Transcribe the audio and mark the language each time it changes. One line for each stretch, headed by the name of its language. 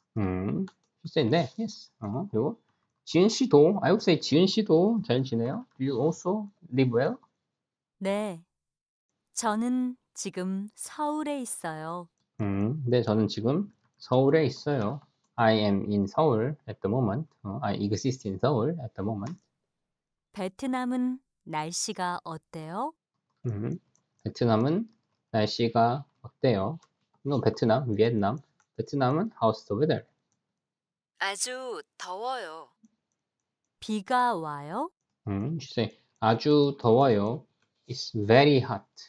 Korean: 희연 씨, 네, yes. 그리고 지은 씨도,
English: I would say
Korean: 지은 씨도 잘 지내요?
English: Do you also live well?
Korean: 네. 저는 지금 서울에 있어요. 네, 저는 지금 서울에 있어요.
English: I am in Seoul at the moment. I exist in Seoul at the moment.
Korean: 베트남은 날씨가 어때요? 베트남은 날씨가 어때요? No, 베트남, 베트남. 베트남은
English: how's the weather?
Korean: 아주 더워요. 비가 와요?
English: She say
Korean: 아주 더워요.
English: It's very hot.